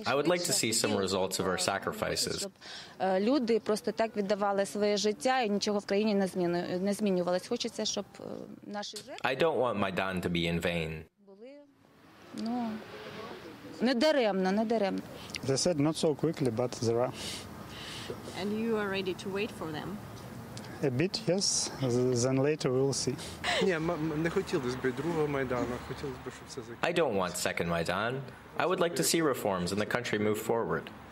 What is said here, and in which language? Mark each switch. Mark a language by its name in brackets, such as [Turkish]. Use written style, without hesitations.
[English] I would like to see some results of our sacrifices. [Ukrainian] Люди просто так віддавали своє життя і нічого в країні не змінювалось. Хочеться, щоб наші [English] I don't want Maidan to be in vain. [Ukrainian] Ну, не даремно, не даремно. [English] They said not so quickly, but there are. And you are ready to wait for them? A bit, yes. Then later we'll see. I don't want second Maidan. I would like to see reforms and the country move forward.